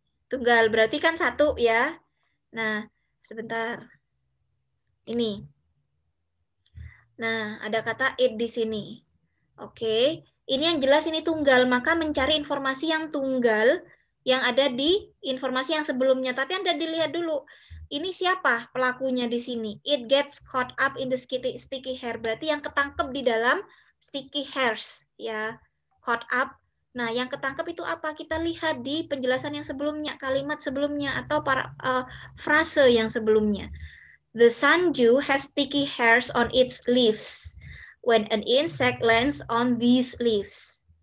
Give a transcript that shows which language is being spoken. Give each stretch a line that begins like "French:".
Indonesian: Tunggal, berarti kan satu ya. Nah, sebentar. Ini. Nah, ada kata it di sini. Oke, ini yang jelas ini tunggal, maka mencari informasi yang tunggal yang ada di informasi yang sebelumnya. Tapi Anda dilihat dulu, ini siapa pelakunya di sini?
English: It gets caught up in the sticky hair.
Indonesian: Berarti yang ketangkep di dalam
English: sticky hairs,
Indonesian: ya,
English: caught up.
Indonesian: Nah, yang ketangkep itu apa? Kita lihat di penjelasan yang sebelumnya, kalimat sebelumnya, atau frase yang sebelumnya.
English: The sundew has sticky hairs on its leaves when an insect lands on these leaves.